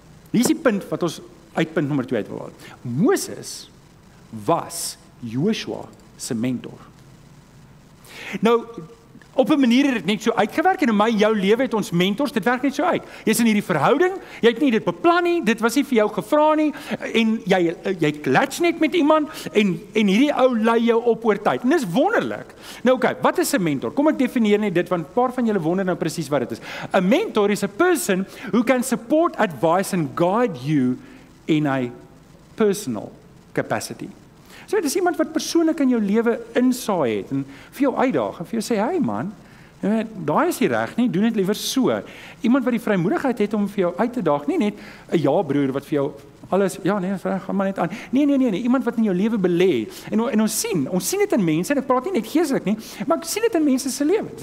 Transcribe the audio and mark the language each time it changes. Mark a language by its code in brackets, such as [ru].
[af] Hier is die punt wat ons uit punt nommer 2 uit wil haal. Moses was Joshua se mentor. Nou, op 'n manier het dit net so uitgewerk en in my jou lewe het ons mentors, dit werk net so uit. Jy's in hierdie verhouding, jy het nie dit beplan nie, dit was nie vir jou gevra nie en jy klats net met iemand en hierdie ou lei jou op oor tyd. En dis wonderlik. Nou oké, wat is 'n mentor? Kom ek definieer net dit want 'n paar van julle wonder nou presies wat dit is. 'N [en] mentor is a person who can support, advise and guide you in a personal capacity. [af] So, dit is iemand wat persoonlik in jou lewe insaai het en vir jou uitdaag en vir jou sê, hey man, daai is die reg nie, doen dit liewer so. Iemand wat die vrymoedigheid het om vir jou uit te daag, nie net 'n ja broer wat vir jou alles, ja nee, gaan maar net aan. Nee, iemand wat in jou lewe belê. En ons sien dit in mense, en ek praat nie net geestelik nie, maar ek sien dit in mense se lewens.